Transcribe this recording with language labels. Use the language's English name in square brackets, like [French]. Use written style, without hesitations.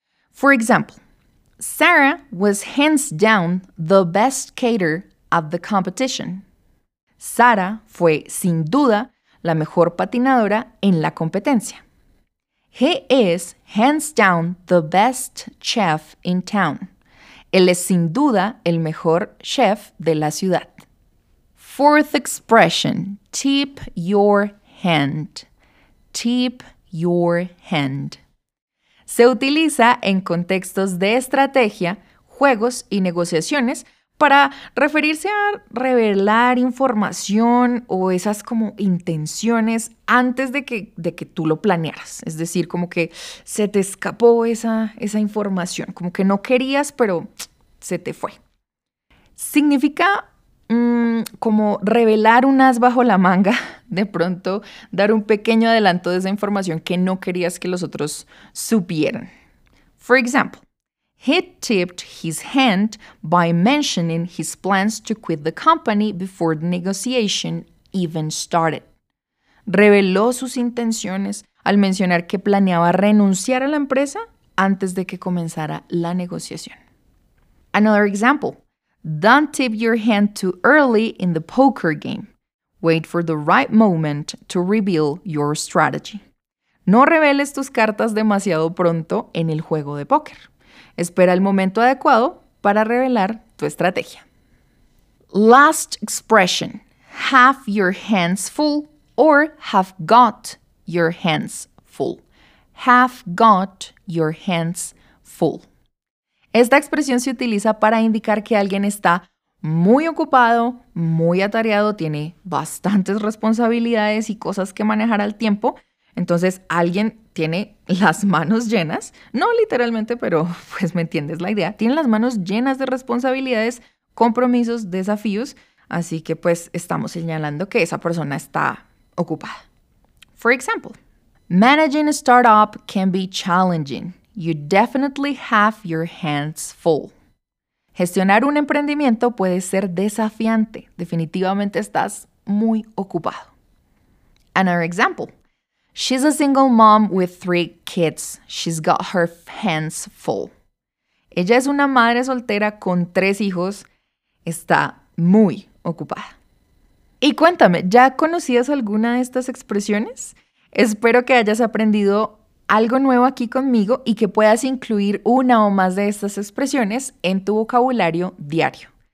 [English] For example, Sarah was hands down the best caterer at the competition. [Spanish] Sarah fue, sin duda, la mejor patinadora en la competencia. [English] He is hands down the best chef in town. [Spanish] Él es, sin duda, el mejor chef de la ciudad. [English] Fourth expression, tip your hand. Tip your hand. [Spanish] Se utiliza en contextos de estrategia, juegos y negociaciones para referirse a revelar información o esas como intenciones antes de que tú lo planearas. Es decir, como que se te escapó esa información, como que no querías, pero se te fue. Significa como revelar un as bajo la manga, de pronto dar un pequeño adelanto de esa información que no querías que los otros supieran. [English] For example, he tipped his hand by mentioning his plans to quit the company before the negotiation even started. [Spanish] Reveló sus intenciones al mencionar que planeaba renunciar a la empresa antes de que comenzara la negociación. [English] Another example, Don't tip your hand too early in the poker game. Wait for the right moment to reveal your strategy. [Spanish] No reveles tus cartas demasiado pronto en el juego de póker. Espera el momento adecuado para revelar tu estrategia. [English] Last expression. Have your hands full or have got your hands full. Have got your hands full. [Spanish] Esta expresión se utiliza para indicar que alguien está muy ocupado, muy atareado, tiene bastantes responsabilidades y cosas que manejar al tiempo. Entonces, alguien tiene las manos llenas, no literalmente, pero pues me entiendes la idea. Tiene las manos llenas de responsabilidades, compromisos, desafíos. Así que pues estamos señalando que esa persona está ocupada. [English] For example, managing a startup can be challenging. You definitely have your hands full. [Spanish] Gestionar un emprendimiento puede ser desafiante. Definitivamente estás muy ocupado. [English] Another example. She's a single mom with 3 kids. She's got her hands full. [Spanish] Ella es una madre soltera con 3 hijos. Está muy ocupada. Y cuéntame, ¿ya conocías alguna de estas expresiones? Espero que hayas aprendido algo nuevo aquí conmigo y que puedas incluir una o más de estas expresiones en tu vocabulario diario.